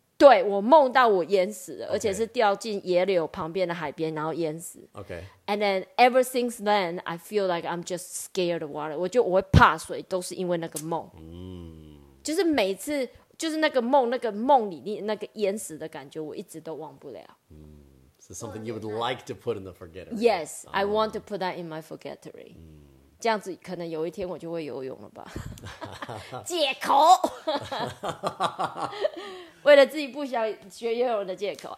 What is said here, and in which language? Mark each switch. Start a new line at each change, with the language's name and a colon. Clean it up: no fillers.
Chinese: 对，我梦到我淹死了，而且是掉进野柳旁边的海边，然后淹死。
English: Okay. And then ever since then, I feel like I'm just scared of water.
Chinese: 我就我会怕水，都是因为那个梦。就是每次。就是那个梦，那个梦里面那个淹死的感觉，我一直都忘不了。
English: So something you would like to put in the forgettery? Yes, I want to put that in my forgettery.
Chinese: 这样子可能有一天我就会游泳了吧？借口，为了自己不想学游泳的借口。